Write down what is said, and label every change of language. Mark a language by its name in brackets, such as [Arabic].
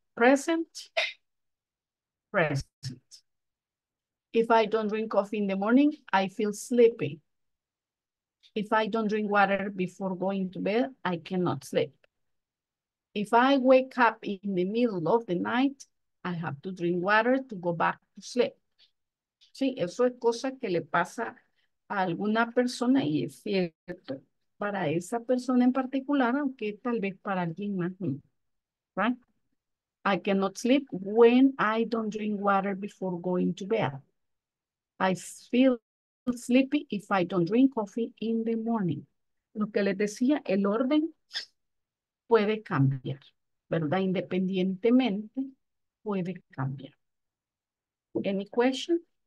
[English] Present, present. If I don't drink coffee in the morning, I feel sleepy. If I don't drink water before going to bed, I cannot sleep. If I wake up in the middle of the night, I have to drink water to go back to sleep. [Spanish] Sí, eso es cosa que le pasa a alguna persona y es cierto. Para esa persona en particular, aunque tal vez para alguien más. [English] Right? I cannot sleep when I don't drink water before going to bed. I feel sleepy if I don't drink coffee in the morning. [Spanish] Lo que les decía, el orden puede cambiar, ¿verdad? Independientemente, puede cambiar. [English] Any question?